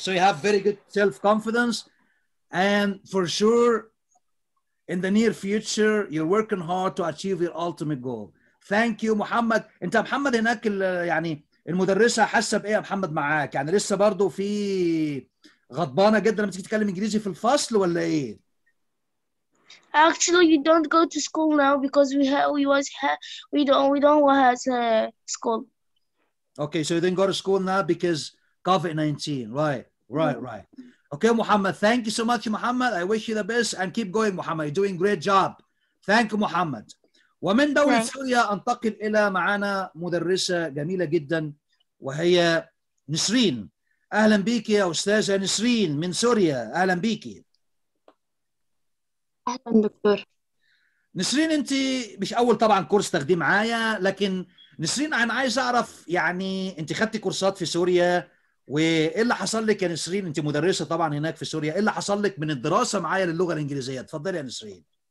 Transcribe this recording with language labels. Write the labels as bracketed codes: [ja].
[en] So you have very good self-confidence, and for sure in the near future you're working hard to achieve your ultimate goal. Thank you Muhammad. [ar] انت محمد هناك يعني المدرسة حاسة بايه يا محمد معاك؟ يعني لسه برضو في غضبانة جدا لما تيجي تتكلم انجليزي في الفصل ولا ايه؟ [en] Actually you don't go to school now because we don't have school. Okay, so you didn't go to school now because COVID-19. Right. Okay Muhammad. Thank you so much Muhammad. I wish you the best and keep going Muhammad. You're doing great job. Thank you Muhammad. [ar] ومن دولة سوريا أنتقل إلى معانا مدرسة جميلة جدا وهي نسرين. أهلا بك يا أستاذة نسرين من سوريا، أهلا بك. أهلا دكتور نسرين. أنت مش أول طبعا كورس تاخدي معايا، لكن نسرين أنا عايز أعرف يعني أنت خدتي كورسات في سوريا، وإيه اللي حصل لك يا نسرين؟ أنت مدرسة طبعا هناك في سوريا، إيه اللي حصل لك من الدراسة معايا للغة الإنجليزية؟ تفضلي يا نسرين.